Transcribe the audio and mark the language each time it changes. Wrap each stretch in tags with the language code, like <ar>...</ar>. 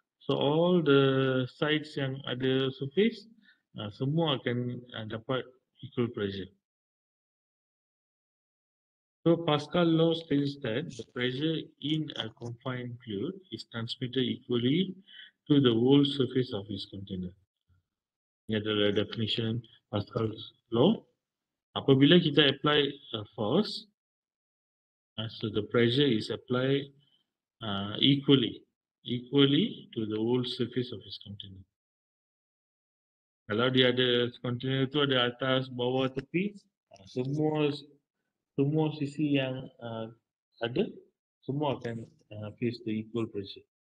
<en>So all the sides yang ada surface,</en> <ms>semua akan dapat</ms> <en>equal pressure. So Pascal law states that the pressure in a confined fluid is transmitted equally to the whole surface of its container.</en> <ms>Ini adalah definition Pascal's law. Apabila kita</ms> <en>apply a force, so the pressure is applied equally to the whole surface of its container.</en> <ms>Kalau dia ada container tu ada atas, bawah, tepi, semua sisi yang ada, semua akan</ms> <en>face the equal pressure.</en>